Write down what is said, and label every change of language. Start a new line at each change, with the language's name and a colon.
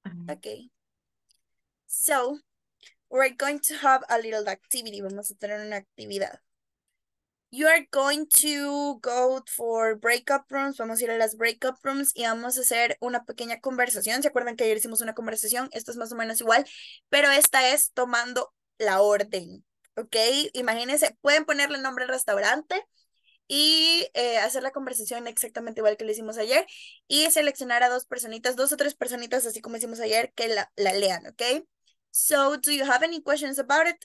English: Okay, so we're going to have a little activity.
Spanish: Vamos a tener una actividad.
English: You are going to go for breakup rooms.
Spanish: Vamos a ir a las breakup rooms y vamos a hacer una pequeña conversación. ¿Se acuerdan que ayer hicimos una conversación? Esto es más o menos igual, pero esta es tomando la orden. Okay, imagínense, pueden ponerle nombre al restaurante y hacer la conversación exactamente igual que lo hicimos ayer y seleccionar a dos personitas, dos o tres personitas, así como hicimos ayer, que la lean, ¿ok?
English: So, do you have any questions about it?